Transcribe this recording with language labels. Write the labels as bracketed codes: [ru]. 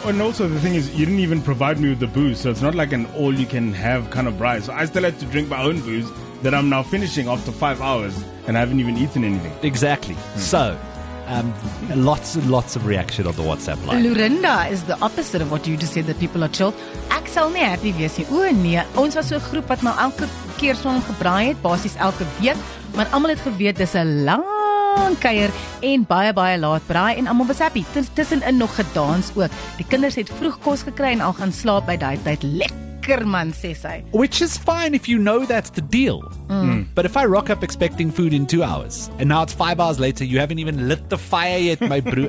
[en] And also the thing is, you didn't even provide me with the booze. So it's not like an all you can have kind of braai. So I still had to drink my own booze that I'm now finishing after 5 hours and I haven't even eaten anything. Exactly. So lots and lots of reaction on the WhatsApp line. Lurinda is the opposite of what you just said, that people are chilled. [af] Ek sal nie happy wees nie. O nee, ons was so 'n groep wat maar elke keer so 'n gebraai het, basies elke week, maar almal het geweet dis 'n lang kuier en baie baie laat braai en almal was happy. Tussenin nog gedans ook. Die kinders het vroeg kos gekry en al gaan slaap by daai tyd. Lekker man, sê sy. [en] Which is fine if you know that's the deal. But if I rock up expecting food in 2 hours and now it's 5 hours later, you haven't even lit the fire yet, my bro.